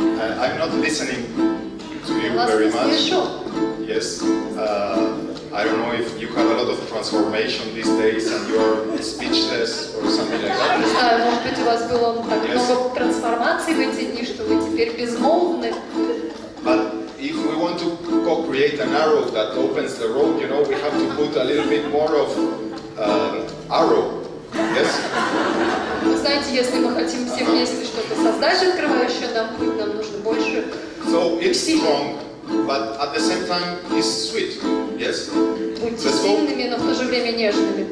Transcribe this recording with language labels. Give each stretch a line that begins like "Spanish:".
English: you very much. Yes. I don't know if you have a lot of transformation these days and you're speechless or something like that.
Russian: Может быть, у вас было много трансформаций в эти дни, что вы теперь безмолвны.
English: But if we want to co-create an arrow that opens the road, you know, we have to put a little bit more of arrow. Yes.
Russian: Вы знаете, если мы хотим все вместе что-то создать, открывающее нам путь, нам нужно больше.
English: So it's strong, but at the same time it's sweet. Yes.
Russian: Будьте сильными, но в то же время нежными.